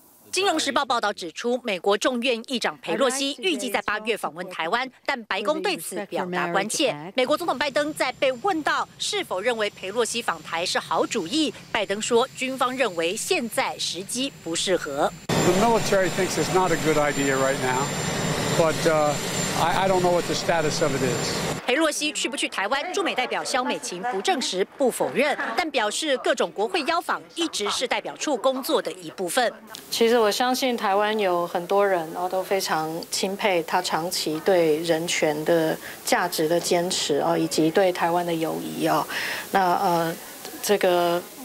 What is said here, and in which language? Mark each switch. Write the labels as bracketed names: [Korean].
[Chinese] 《金融时报》报道指出，美国众院议长佩洛西预计在8月访问台湾，但白宫对此表达关切。美国总统拜登在被问到是否认为佩洛西访台是好主意，拜登说，军方认为现在时机不适合。The [English] military thinks it's not a good idea right now, but I don't know what the status of it is. [Chinese] 佩洛西去不去台湾，驻美代表萧美琴不证实，不否认，但表示各种国会邀访一直是代表处工作的一部分。其实我相信台湾有很多人都非常钦佩他长期对人权的价值的坚持以及对台湾的友谊那这个。